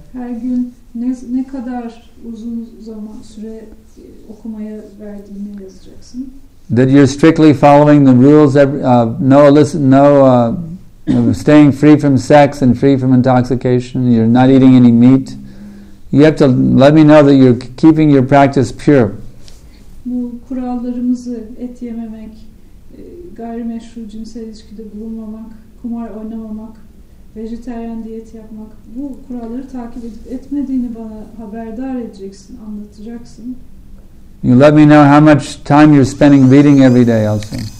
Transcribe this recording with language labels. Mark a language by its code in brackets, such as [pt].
[tr] Her gün ne kadar uzun zaman süre okumaya verdiğini yazacaksın. [en] That you're strictly following the rules of staying free from sex and free from intoxication. You're not eating any meat. You have to let me know that you're keeping your practice pure. [tr] Bu kurallarımızı, et yememek, gayrimeşru cinsel ilişkide bulunmamak, kumar oynamamak, vejetaryen diyet yapmak, bu kuralları takip edip etmediğini bana haberdar edeceksin, anlatacaksın. [en] You let me know how much time you're spending reading every day also.